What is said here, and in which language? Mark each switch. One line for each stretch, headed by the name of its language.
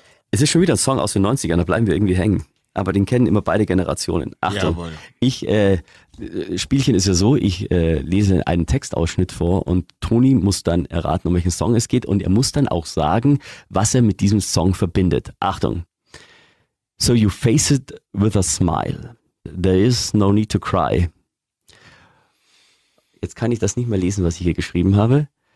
German: Es ist schon wieder ein Song aus den 90ern, da bleiben wir irgendwie hängen. Aber den kennen immer beide Generationen. Achtung, jawohl. Spielchen ist ja so, ich lese einen Textausschnitt vor und Toni muss dann erraten, um welchen Song es geht und er muss dann auch sagen, was er mit diesem Song verbindet. Achtung.
English: So you face it with a smile. There is no need to cry.
German: Jetzt kann ich das nicht mehr lesen, was ich hier geschrieben habe.